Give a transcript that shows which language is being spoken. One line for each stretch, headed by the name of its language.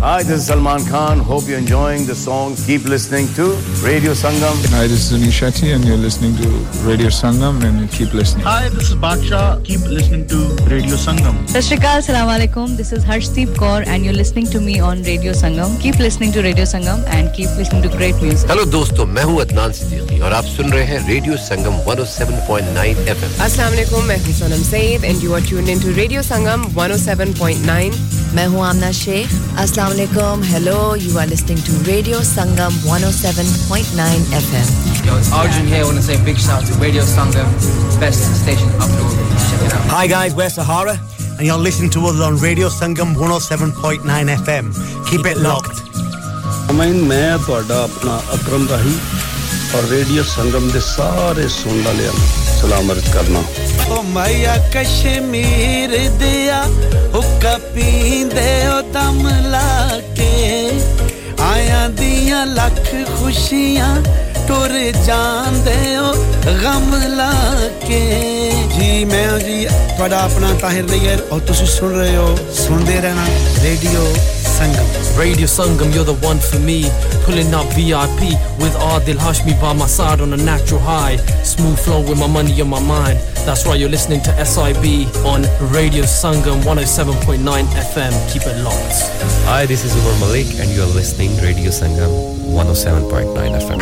English: Hi, this is Salman Khan Hope you're enjoying the songs Keep listening to Radio Sangam Hi, this is Anish Shetty And you're listening to Radio Sangam And keep listening Hi, this is Baksha Keep listening to Radio Sangam Sat Sri Akal, Assalamu Alaikum This is Harshdeep Kaur And you're listening to me on Radio Sangam Keep listening to Radio Sangam And keep listening to great music
Urdu: Hello, dosto میں ہوں عدنان صدیقی اور آپ سن رہے ہیں radio سنگم 107.9 FM السلام علیکم میں ہوں سونم سعید
English: and you are tuned into
Urdu: radio سنگم 107.9 میں ہوں آمنہ شیخ السلام علیکم hello
English: you are listening to
Urdu: radio Sangam 107.9 FM
English: Yo, it's Arjun here I want to say a big shout out to radio Sangam best station of the world Hi guys, we're Sahara and you're listening to us on radio Sangam 107.9 FM Keep it locked
Punjabi: ਮੈਂ ਮੈਂ ਤੁਹਾਡਾ ਆਪਣਾ ਅਕਰਮ ਰਾਹੀ ਔਰ radio ਸੰਗਮ ਦੇ ਸਾਰੇ ਸੁਣ ਵਾਲਿਆਂ ਨੂੰ ਸਲਾਮ ਅਰਜ਼ ਕਰਨਾ ਓ ਮਾਇਆ ਕਸ਼ਮੀਰ ਦਿਆ ਹੁੱਕਾ ਪੀਂਦੇ ਓ ਦਮ ਲਾ ਕੇ ਆਇਆਂ ਦੀਆਂ ਲੱਖ ਖੁਸ਼ੀਆਂ ਟੁਰ ਜਾਂਦੇ ਓ ਗਮ ਲਾ ਕੇ ਜੀ ਮੈਂ ਜੀ ਤੁਹਾਡਾ ਆਪਣਾ ਤਾਹਿਰ ਨਈਅਰ ਔਰ ਤੁਸੀਂ ਸੁਣ ਰਹੇ ਹੋ ਸੁਣਦੇ ਰਹਿਣਾ radio Sangam.
English: Radio Sangam, you're the one for me. Pulling up VIP with Adil Hashmi by my side on a natural high. Smooth flow with my money on my mind. That's why you're listening to SIB on Radio Sangam 107.9 FM. Keep it locked. Hi, this is Umar Malik and you're listening to Radio Sangam 107.9 FM.